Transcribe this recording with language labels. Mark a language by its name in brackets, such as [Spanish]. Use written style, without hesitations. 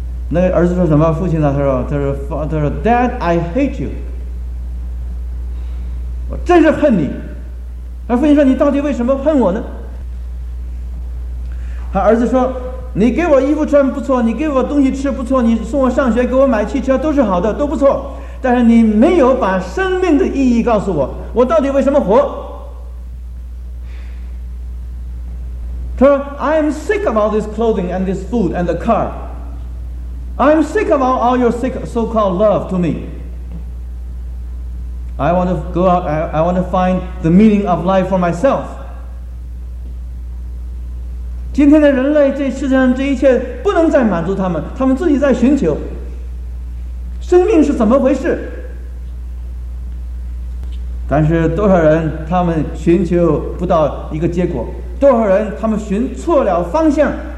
[Chinese] 那个儿子说什么？父亲呢？他说 [English] Dad I hate you， [Chinese] 我真是恨你。那父亲说，你到底为什么恨我呢？他儿子说，你给我衣服穿不错，你给我东西吃不错，你送我上学，给我买汽车，都是好的，都不错，但是你没有把生命的意义告诉我，我到底为什么活。他说 [English] I am sick of all this clothing and this food and the car. I'm sick of all your so-called love to me. I want to go out, I want to find the meaning of life for myself. [Chinese] 今天的人类，这世界上这一切不能再满足他们，他们自己在寻求生命是怎么回事。但是多少人他们寻求不到一个结果，多少人他们寻错了方向。